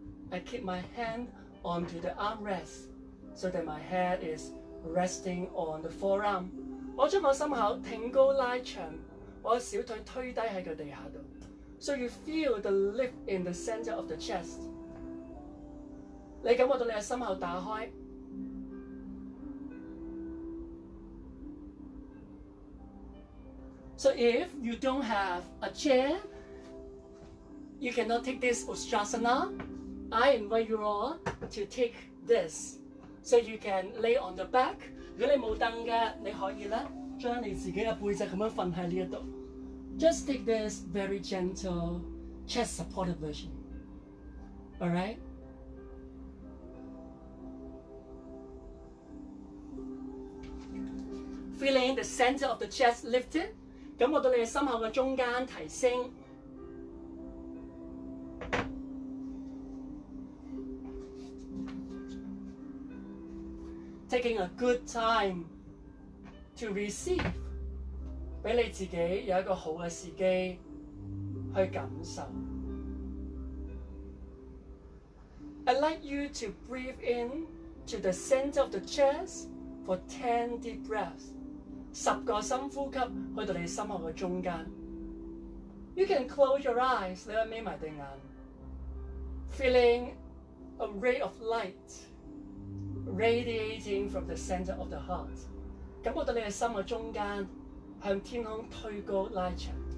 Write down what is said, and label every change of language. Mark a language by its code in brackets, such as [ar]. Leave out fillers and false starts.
[en] I keep my hand onto the armrest so that my head is resting on the forearm. [yue] 我將我心口挺高拉長, 我小腿推低喺個地下度. [en] So you feel the lift in the center of the chest. [yue] 你感覺到你嘅心口打開. [en] So if you don't have a chair, you cannot take this Ustrasana, I invite you all to take this. So you can lay on the back. [yue] 如果你沒有椅子的,你可以將你自己的背部這樣躺在這裡. [en] Just take this very gentle chest supported version. Alright? Feeling the center of the chest lifted, [yue] 感覺到你的心口的中間提升. [en] Taking a good time to receive, [yue] 俾你自己有一個好嘅時機去感受. [en] I'd like you to breathe in to the center of the chest for 10 deep breaths. [yue] 10個深呼吸去到你心口嘅中間. [en] You can close your eyes, [yue] 你可以眯埋對眼. [en] Feeling a ray of light radiating from the center of the heart. [yue] 感覺到你的心的中間向天空推高拉長.